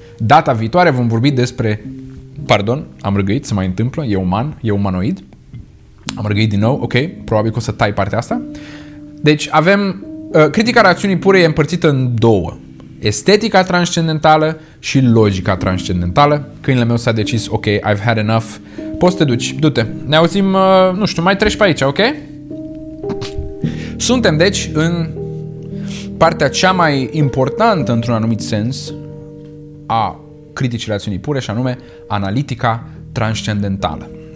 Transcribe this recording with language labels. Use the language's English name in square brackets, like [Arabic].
[Romanian] Data viitoare vom vorbi despre... Pardon, am râgăit, se mai întâmplă, e uman, e umanoid. Am râgăit din nou, ok, probabil că o să tai partea asta. Deci avem... critica rațiunii pure e împărțită în două. Estetica transcendentală și logica transcendentală. Câinele meu s-a decis, ok, [English] I've had enough. [Romanian] Poți să te duci, du-te. Ne auzim, nu știu, mai treci pe aici, ok? Suntem, deci, în partea cea mai importantă, într-un anumit sens, a criticii rațiunii pure, și anume, analitica transcendentală.